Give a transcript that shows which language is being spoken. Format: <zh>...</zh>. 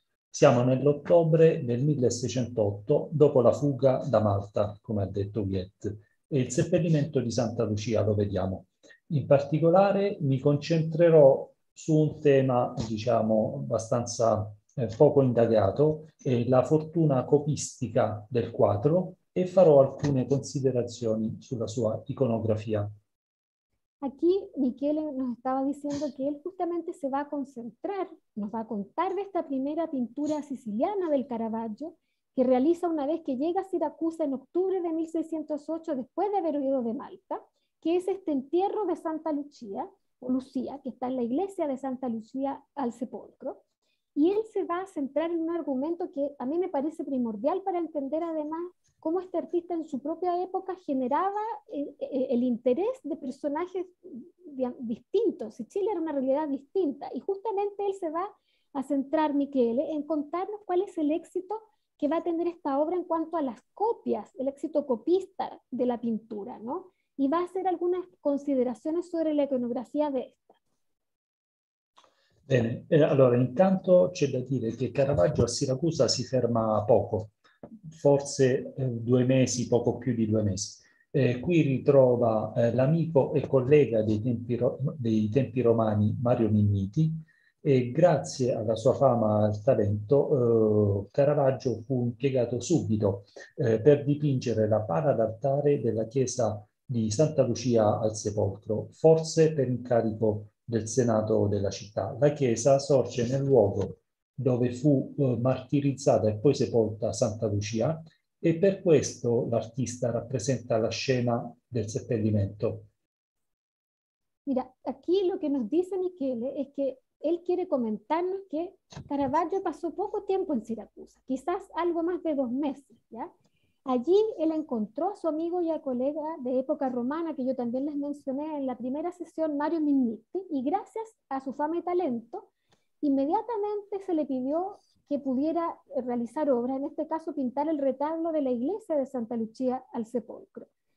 <it>Siamo nell'ottobre del 1608, dopo la fuga da Malta, come ha detto Huguette, e il seppellimento di Santa Lucia, lo vediamo. In particolare mi concentrerò su un tema, diciamo, abbastanza poco indagato, è la fortuna copistica del quadro, e farò alcune considerazioni sulla sua iconografia.</it> <es>Aquí Michele nos estaba diciendo que él justamente se va a concentrar, nos va a contar de esta primera pintura siciliana del Caravaggio, que realiza una vez que llega a Siracusa en octubre de 1608, después de haber huido de Malta, que es este entierro de Santa Lucía, o Lucía, que está en la iglesia de Santa Lucía al Sepulcro. Y él se va a centrar en un argumento que a mí me parece primordial para entender además cómo este artista en su propia época generaba el interés de personajes distintos. Sicilia era una realidad distinta. Y justamente él se va a centrar, Michele, en contarnos cuál es el éxito que va a tener esta obra en cuanto a las copias, el éxito copista de la pintura, ¿no? Y va a hacer algunas consideraciones sobre la iconografía de esta.</es> <it>Bene, allora intanto c'è da dire che Caravaggio a Siracusa si ferma poco, forse due mesi, poco più di due mesi. Qui ritrova l'amico e collega dei tempi romani, Mario Minniti, e grazie alla sua fama e al talento, Caravaggio fu impiegato subito per dipingere la pala d'altare della chiesa di Santa Lucia al Sepolcro, forse per incarico del senato della città. La chiesa sorge nel luogo dove fu martirizzata e poi sepolta Santa Lucia, e per questo l'artista rappresenta la scena del seppellimento.</it> <es>Mira, aquí lo que nos dice Michele es que él quiere comentarnos que Caravaggio pasó poco tiempo en Siracusa, quizás algo más de dos meses, ¿ya? Allí él encontró a su amigo y a colega de época romana, que yo también les mencioné en la primera sesión, Mario Minniti, y gracias a su fama y talento, inmediatamente se le pidió que pudiera realizar obra, en este caso pintar el retablo de la iglesia de Santa Lucía al Sepulcro.</es>